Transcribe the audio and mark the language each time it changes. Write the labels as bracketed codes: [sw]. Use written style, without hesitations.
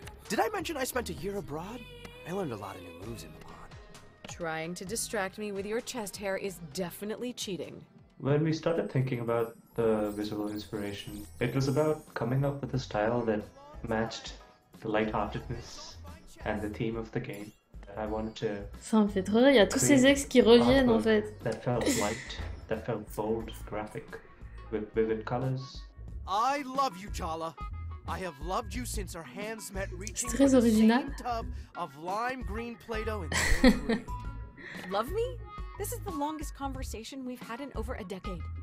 [en] Did I mention I spent a year abroad? I learned a lot of new moves in Milan. Trying to distract me with your chest hair is definitely cheating. When we started thinking about the visual inspiration, it was about coming up with a style that matched the lightheartedness and the theme of the game. I wanted to... [fr] Ça me fait trop rire, il y a tous ces ex qui reviennent en fait. [en] That felt light, that felt bold, graphic, with vivid colors. I love you, Jala. I have loved you since our hands met reaching the same tub of lime green Play-Doh and green. Love me? This is the longest conversation we've had in over a decade.